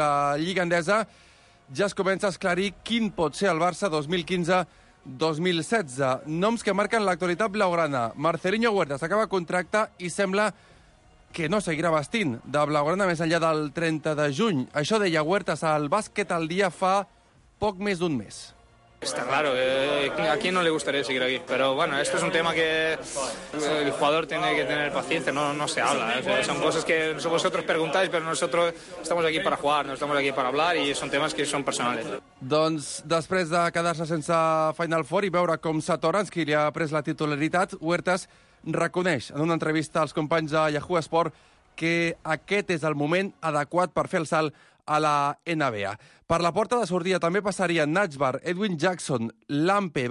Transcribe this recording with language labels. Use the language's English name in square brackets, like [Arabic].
[Catalan] La Lliga Endesa ja es comença a esclarir quin pot ser el Barça 2015-2016. Noms que marquen l'actualitat blaugrana. Marcelinho Huerta s'acaba contracte i sembla que no seguirà vestint de blaugrana més enllà del 30 de juny. Això deia Huerta al Bàsquet al Dia fa poc més d'un mes. [Spanish] Está claro, a quién no le gustaría seguir aquí, pero bueno, esto es un tema que el jugador tiene que tener paciencia, no se habla, ¿eh? O sea, son cosas que vosotros preguntáis, pero nosotros estamos aquí para jugar, no estamos aquí para hablar, y son temas que son personales. [Catalan] Doncs després de quedar-se sense Final Four i veure com s'atorans qui li ha pres la titularitat, Huertas reconeix en una entrevista als companys de Yahoo Sport que aquest és el moment adequat per fer el salt a la NBA. Per la porta de sortida també passarien Nachbar, Edwin Jackson, Lampe.